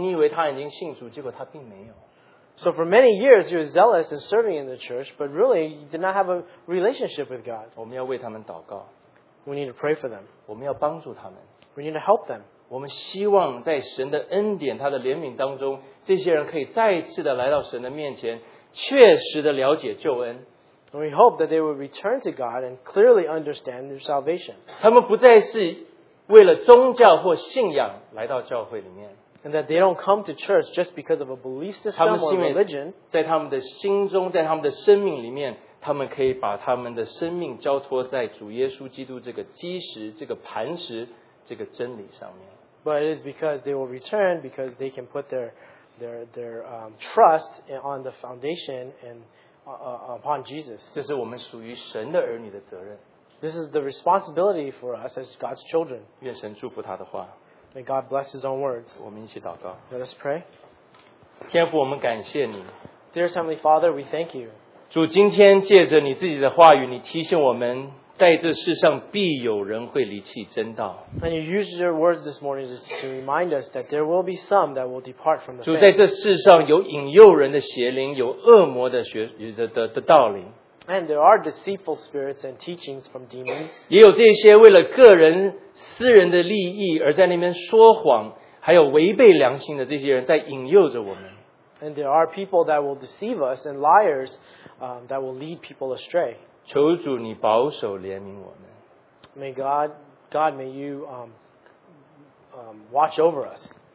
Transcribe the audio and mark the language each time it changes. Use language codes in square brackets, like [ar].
[zh] 多年来你看到他在教会里面，你以为他热心，你以为他已经信主，结果他并没有。 [en] So for many years, he was zealous in serving in the church, but really, he did not have a relationship with God. [zh] 我们要为他们祷告。 [en] We need to pray for them. [zh] 我们要帮助他们。 [en] We need to help them. [zh] 我们希望在神的恩典、他的怜悯当中, 这些人可以再一次的来到神的面前, 确实的了解救恩。 [en] And we hope that they will return to God and clearly understand their salvation. [zh] 他们不再是为了宗教或信仰来到教会里面。 [en] And that they don't come to church just because of a belief system or religion. [zh] 在他们的心中，在他们的生命里面, 他们可以把他们的生命交托在主耶稣基督这个基石、这个磐石、这个真理上面。 [en] But it is because they will return because they can put their trust on the foundation and upon Jesus. [zh] 这是我们属于神的儿女的责任。 [en] This is the responsibility for us as God's children. [zh] 愿神祝福他的话。 [en] May God bless His own words. [zh] 我们一起祷告。 [en] Let us pray. [zh] 天父，我们感谢你。 [en] Dear Heavenly Father, we thank you. [zh] 主, 今天借着你自己的话语, 你提醒我们, 在这世上必有人会离弃真道。 [en] And you use your words this morning to remind us that there will be some that will depart from the faith. [zh] 主, 在这世上有引诱人的邪灵, 有恶魔的道理。 [en] And there are deceitful spirits and teachings from demons. [zh] 也有这些为了个人私人的利益而在那边说谎, 还有违背良心的这些人在引诱着我们。 [en] And there are people that will deceive us and liars that will lead people astray. [zh] 求主你保守怜悯我们。 [en] May God, may you watch over us.